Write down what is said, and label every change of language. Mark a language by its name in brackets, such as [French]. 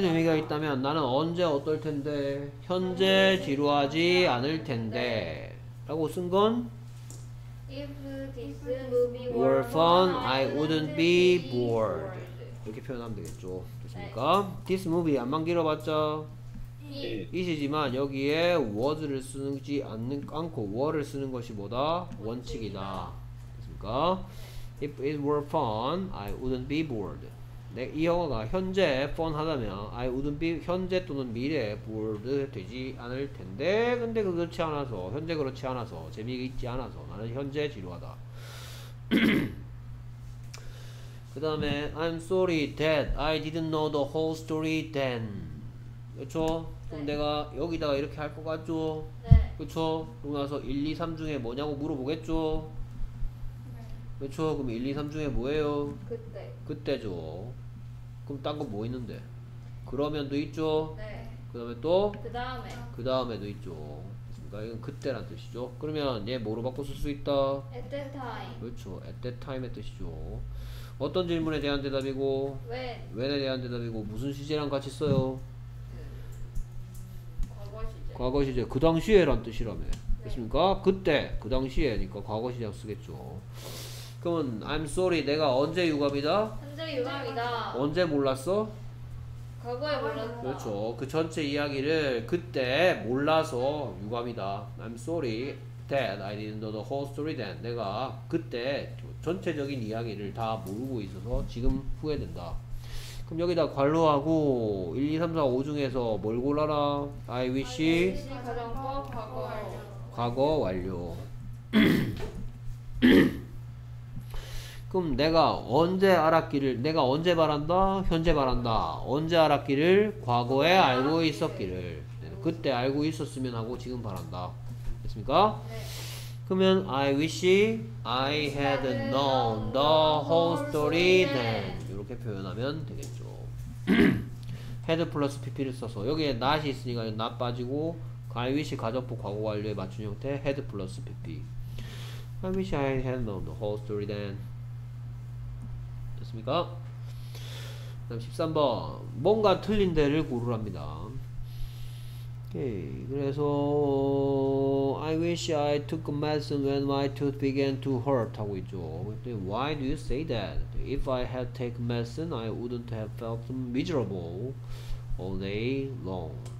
[Korean] 재미가 있다면 나는 언제 어떨 텐데 현재 지루하지 않을 텐데 라고 쓴 건 [English] If this movie were fun, I wouldn't be bored. [Korean] 이렇게 표현하면 되겠죠. 됐습니까? This movie 안만 길어봤자 이시지만 여기에 was를 쓰지 않고 were를 쓰는 것이 뭐다? 원칙이다. 됐습니까? [English] If it were fun, I wouldn't be bored. [Korean] 네, 이 영화가 현재 fun 하다면 I wouldn't be 현재 또는 미래에 bored 되지 않을 텐데 근데 그렇지 않아서 현재 그렇지 않아서 재미있지 않아서 나는 현재 지루하다. 그 다음에 [English] I'm sorry that I didn't know the whole story then. [Korean] 그렇죠? 그럼 네. 내가 여기다가 이렇게 할 것 같죠? 네. 그렇죠? 그러고 나서 1, 2, 3 중에 뭐냐고 물어보겠죠? 네. 그렇죠? 그럼 1, 2, 3 중에 뭐예요? 그때죠. 그럼 딴 거 뭐 있는데? 그러면도 있죠? 네. 그 다음에 또? 그 다음에. 그 다음에도 있죠. 그러니까 이건 그때란 뜻이죠. 그러면 얘 뭐로 바꿔 쓸 수 있다? [English] At that time. [Korean] 그렇죠. At that time의 뜻이죠. 어떤 질문에 대한 대답이고? [English] When. [Korean] When에 대한 대답이고 무슨 시제랑 같이 써요? 과거 시제 그 당시에 란 뜻이라며. 네. 됐습니까? 그때 그 당시에니까 과거 시제 쓰겠죠. 그러면 I'm sorry 내가 언제 유감이다? 현재 유감이다. 언제 몰랐어? 과거에 몰랐다. 그렇죠. 그 전체 이야기를 그때 몰라서 유감이다. [English] I'm sorry that I didn't know the whole story then. [Korean] 내가 그때 전체적인 이야기를 다 모르고 있어서 지금 후회된다. 그럼 여기다 관로하고 1, 2, 3, 4, 5 중에서 뭘 골라라? [English] I wish [Korean] 가정법 과거 완료. 과거 완료. 그럼 내가 언제 알았기를, 내가 언제 바란다? 현재 바란다. 언제 알았기를? 과거에 알고 있었기를. 그때 알고 있었으면 하고 지금 바란다. 됐습니까? 그러면 [English] I wish I had known the whole story then. [Korean] 이렇게 표현하면 되겠죠. had 플러스 pp를 써서 여기에 not이 있으니까 not 빠지고 I wish 가정부 과거 완료에 맞춘 형태 had 플러스 pp. [English] I wish I had known the whole story then. [Korean] 됐습니까? 그럼 13번 뭔가 틀린 데를 고르랍니다. 오케이. 그래서 [English] I wish I took medicine when my tooth began to hurt [Korean] 하고 있죠. [English] Why do you say that? If I had taken medicine, I wouldn't have felt miserable all day long.